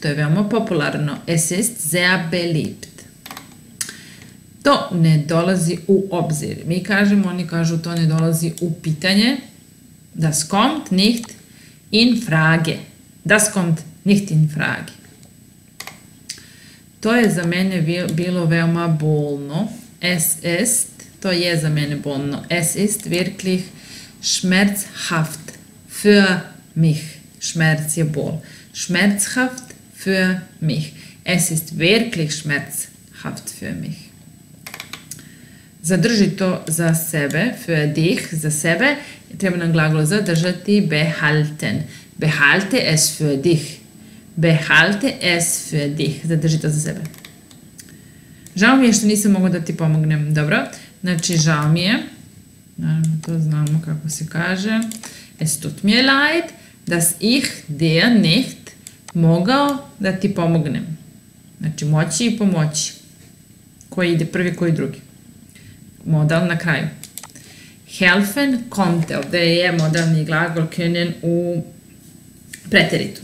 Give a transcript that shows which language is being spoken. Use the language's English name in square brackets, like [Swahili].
[Serbian] To je veoma popularno. [German] Es ist sehr beliebt. [Serbian] To ne dolazi u obzir. Mi kažemo, oni kažu, to ne dolazi u pitanje. [German] Das kommt nicht in Frage. Das kommt nicht in Frage. [Serbian] To je za mene bilo veoma bolno. [German] Es ist, [Serbian] to je za mene bolno. [German] Es ist wirklich schmerzhaft für mich. Schmerz [Serbian] je bol. [German] Schmerzhaft für mich. Es ist wirklich schmerzhaft für mich. [Serbian] Zadrži to za sebe, [German] für dich, [Serbian] za sebe. Treba nam glagol zadržati, behalten. [German] Behalte es für dich. Behalte es für dich. [Serbian] Zadrži to za sebe. Žao mi je što nisam mogla da ti pomognem. Dobro, znači žao mi je. Naravno, to znamo kako se kaže. [German] Es tut mir leid, dass ich dir nicht [Serbian] mogao da ti pomognem. Znači moći i pomoći. Koji ide prvi, koji drugi. Modal na kraju. [German] Helfen konnte, [Serbian] ovdje je modalni glagol können u preteritu.